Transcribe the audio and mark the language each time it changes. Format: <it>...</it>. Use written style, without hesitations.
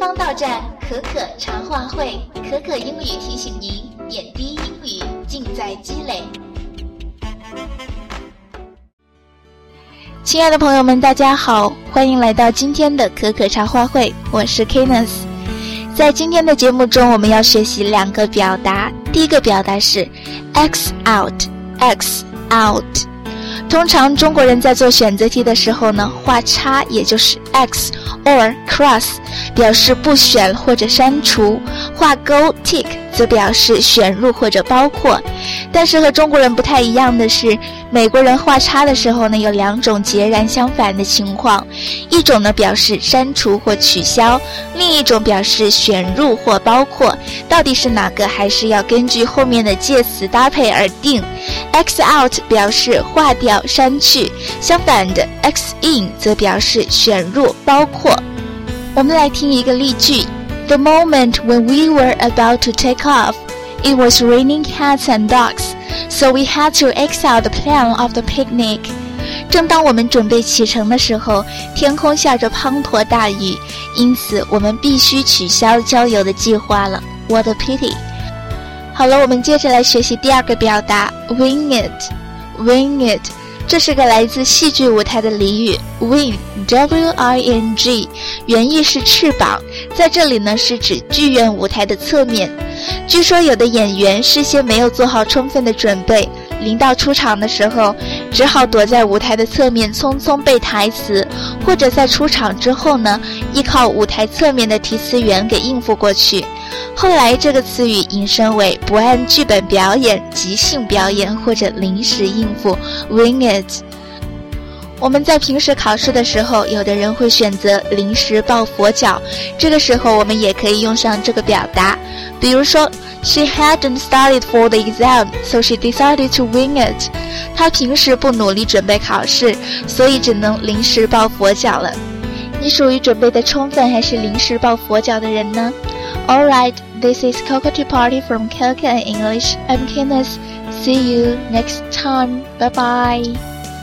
<zh>到站可可茶话会，可可英语提醒您，点滴英语尽在积累。亲爱的朋友们，大家好，欢迎来到今天的可可茶话会，我是 Kenneth。在今天的节目中，我们要学习两个表达。第一个表达是 X out， X out。通常中国人在做选择题的时候呢，画叉也就是 X or cross， 表示不选或者删除，画勾 tick 则表示选入或者包括。但是和中国人不太一样的是，美国人画叉的时候呢，有两种截然相反的情况，一种呢表示删除或取消，另一种表示选入或包括。到底是哪个，还是要根据后面的介词搭配而定。 X out 表示划掉删去，相反的 X in 则表示选入包括。我们来听一个例句。</zh> <en>The moment when we were about to take off, it was raining cats and dogs, so we had to X out the plan of the picnic.</en> <zh>正当我们准备启程的时候，天空下着滂沱大雨，因此我们必须取消郊游的计划了。</zh> <en>What a pity.</en> <zh>好了，我们接着来学习第二个表达， Wing it.</zh> <en>Wing it.</en> <zh>这是个来自戏剧舞台的俚语， wing， W-I-N-G， 原意是翅膀，在这里呢是指剧院舞台的侧面。据说有的演员事先没有做好充分的准备，临到出场的时候只好躲在舞台的侧面匆匆背台词，或者在出场之后呢依靠舞台侧面的提词员给应付过去。后来这个词语引申为不按剧本表演、即兴表演或者临时应付， wing it。我们在平时考试的时候，有的人会选择临时抱佛脚，这个时候我们也可以用上这个表达。比如说，</zh> <en>She hadn't studied for the exam, so she decided to wing it.</en> <zh>她平时不努力准备考试，所以只能临时抱佛脚了。你属于准备的充分还是临时抱佛脚的人呢？</zh> <en>Alright, this is Coco to Party from Coco and English. I'm Kenneth. See you next time. Bye-bye.</en>